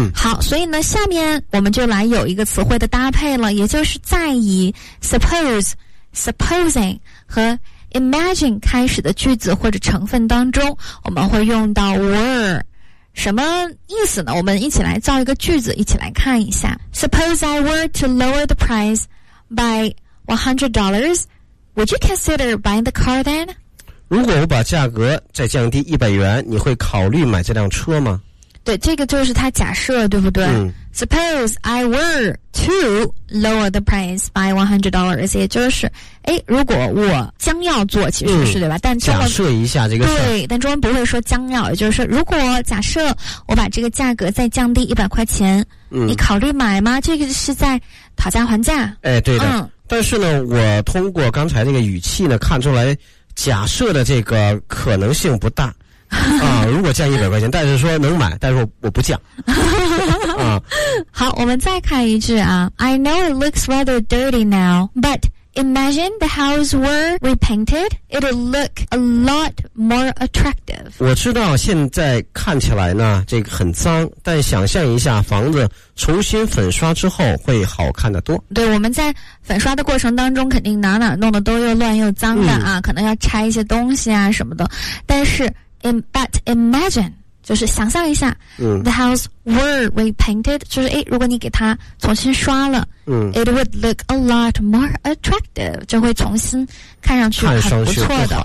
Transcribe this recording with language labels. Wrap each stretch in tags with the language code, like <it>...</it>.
<zh>好，所以呢下面我们就来有一个词汇的搭配了，也就是在以 suppose supposing 和 imagine 开始的句子或者成分当中，我们会用到 were。什么意思呢？我们一起来造一个句子，一起来看一下。</zh> <en>Suppose I were to lower the price by $100, would you consider buying the car then?</en> <zh>如果我把价格再降低100元，你会考虑买这辆车吗？对，这个就是他假设，对不对？</zh> <en>Suppose I were to lower the price by $100,</en> <zh>也就是诶如果我将要做，其实是对吧，但假设一下这个事，对，但中文不会说将要，也就是说如果假设我把这个价格再降低100块钱、你考虑买吗？这个是在讨价还价。诶对的、但是呢我通过刚才这个语气呢看出来假设的这个可能性不大啊，如果降100块钱，但是说能买，但是我不降。好，我们再看一句啊。</zh> <en>I know it looks rather dirty now, but imagine the house were repainted, it'll look a lot more attractive.</en> <zh>我知道现在看起来呢，这个很脏，但想象一下房子重新粉刷之后会好看得多。对，我们在粉刷的过程当中，肯定哪哪弄得都又乱又脏的啊，可能要拆一些东西啊什么的，但是</zh> <en>But imagine</en> <zh>就是想象一下、</zh> <en>The house were repainted</en> <zh>就是诶如果你给它重新刷了、</zh> <en>It would look a lot more attractive</en> <zh>就会重新看上去很不错的，</zh>